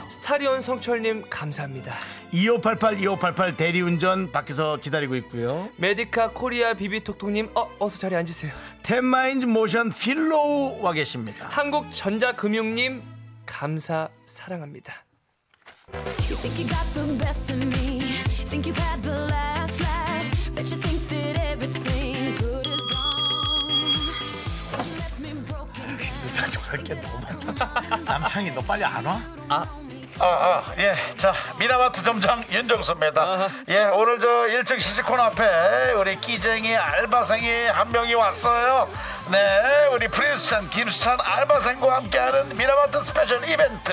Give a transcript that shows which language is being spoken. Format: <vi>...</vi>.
<ko>스타리온 성철님 감사합니다. 2588 2588 대리운전 밖에서 기다리고 있고요. 메디카 코리아 비비톡톡님 어서 자리 앉으세요. 텐마인드 모션 필로우 와 계십니다. 한국전자금융님 감사 사랑합니다.</ko> <en>You think you got the best of me? Think you've had the last laugh? Bet you think that everything good is gone. Let me broken down.</en> <ko>다 좋아할게 너무 많다. 남창이 너 빨리 안 와? 아 예. 자, 미나마트 점장 윤정수입니다. 예, 오늘 저 1층 시식코너 앞에 우리 끼쟁이 알바생이 한 명이 왔어요. 네, 우리 프린스찬 김수찬 알바생과 함께하는 미나마트 스페셜 이벤트.</ko>